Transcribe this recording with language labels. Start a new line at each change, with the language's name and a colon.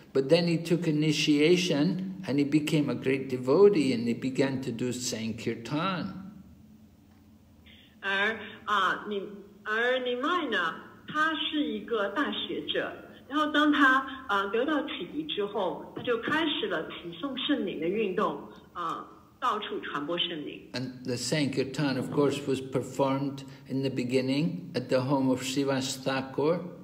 English: But then he took initiation and he became a great devotee and he began to do Sankirtan.
Chinese: 而另外呢,他是一个大学者,然后当他得到启迪之后,他就开始了启诵圣灵的运动,到处传播圣灵。And
English: the Sankirtan, of course, was performed in the beginning at the home of Shivas Thakur.